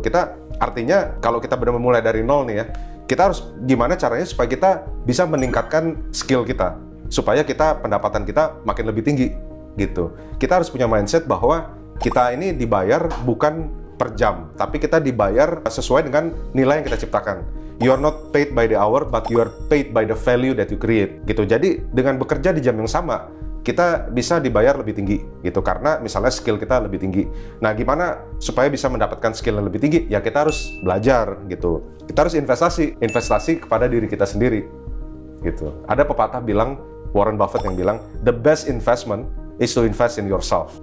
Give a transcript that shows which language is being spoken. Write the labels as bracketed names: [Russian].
[Indonesian] Kita, artinya kalau kita benar-benar mulai dari nol nih ya, kita harus gimana caranya supaya kita bisa meningkatkan skill kita, supaya kita pendapatan kita makin lebih tinggi gitu. Kita harus punya mindset bahwa kita ini dibayar bukan per jam, tapi kita dibayar sesuai dengan nilai yang kita ciptakan. [English] You are not paid by the hour, but you are paid by the value that you create gitu. [Indonesian] Jadi dengan bekerja di jam yang sama, kita bisa dibayar lebih tinggi gitu, karena misalnya skill kita lebih tinggi. Nah, gimana supaya bisa mendapatkan skill yang lebih tinggi? Ya kita harus belajar gitu. Kita harus investasi kepada diri kita sendiri gitu. Ada pepatah bilang, Warren Buffett yang bilang, [English] the best investment is to invest in yourself.